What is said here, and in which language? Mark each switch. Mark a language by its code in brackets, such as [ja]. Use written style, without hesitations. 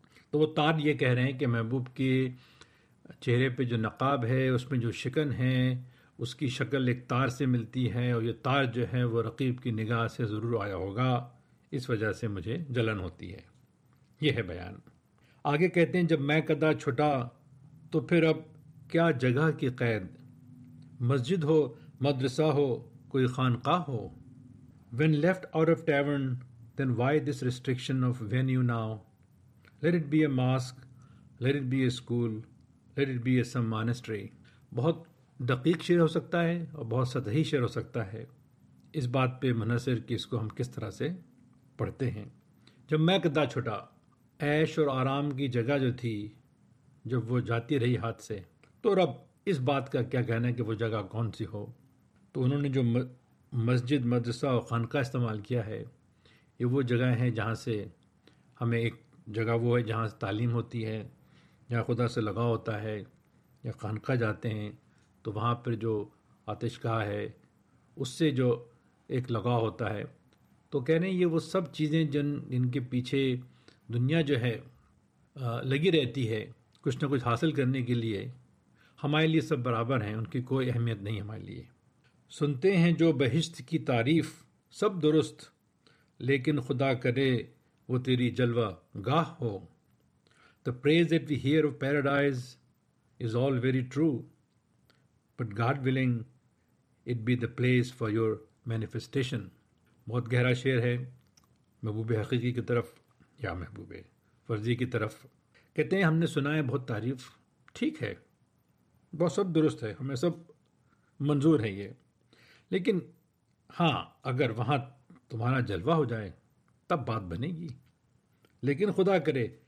[ur] تو وہ تار یہ کہہ رہے ہیں کہ محبوب کے چہرے پہ جو نقاب ہے اس میں جو شکن ہے اس کی شکل ایک تار سے ملتی ہے, اور یہ تار جو ہے وہ رقیب کی نگاہ سے ضرور آیا ہوگا, اس وجہ سے مجھے جلن ہوتی ہے. یہ ہے بیان. آگے کہتے ہیں جب میں قدا چھٹا تو پھر اب کیا جگہ کی قید, مسجد ہو مدرسہ ہو کوئی خانقاہ ہو. [en] When left out of tavern then why this restriction of venue now, let it be a mosque, let it be a school, let it be a some monastery. [ur] بہت دقیق شعر ہو سکتا ہے اور بہت سطحی شعر ہو سکتا ہے, اس بات پہ منحصر کہ اس کو ہم کس طرح سے پڑھتے ہیں. جب میں قدا چھٹا, عیش اور آرام کی جگہ جو تھی جب وہ جاتی رہی ہاتھ سے, تو رب اس بات کا کیا کہنا ہے کہ وہ جگہ کون سی ہو. تو انہوں نے جو مسجد مدرسہ اور خانقاہ استعمال کیا ہے یہ وہ جگہ ہیں جہاں سے ہمیں ایک جگہ وہ ہے جہاں سے تعلیم ہوتی ہے, جہاں خدا سے لگاؤ ہوتا ہے, یا خانقاہ جاتے ہیں تو وہاں پر جو آتش گاہ ہے اس سے جو ایک لگاؤ ہوتا ہے. تو کہہ رہے ہیں یہ وہ سب چیزیں جن کے پیچھے دنیا جو ہے لگی رہتی ہے کچھ نہ کچھ حاصل کرنے کے لیے, ہمارے لیے سب برابر ہیں, ان کی کوئی اہمیت نہیں ہمارے لیے. سنتے ہیں جو بہشت کی تعریف سب درست, لیکن خدا کرے وہ تیری جلوہ گاہ ہو. [en] The praise that we hear of paradise is all very true, but God willing it be the place for your manifestation. [ur] بہت گہرا شعر ہے محبوب حقیقی کی طرف یا محبوب فرضی کی طرف. کہتے ہیں ہم نے سنا ہے بہت تعریف, ٹھیک ہے بہت سب درست ہے, ہمیں سب منظور ہے یہ, لیکن ہاں اگر وہاں تمہارا جلوہ ہو جائے تب بات بنے گی, لیکن خدا کرے.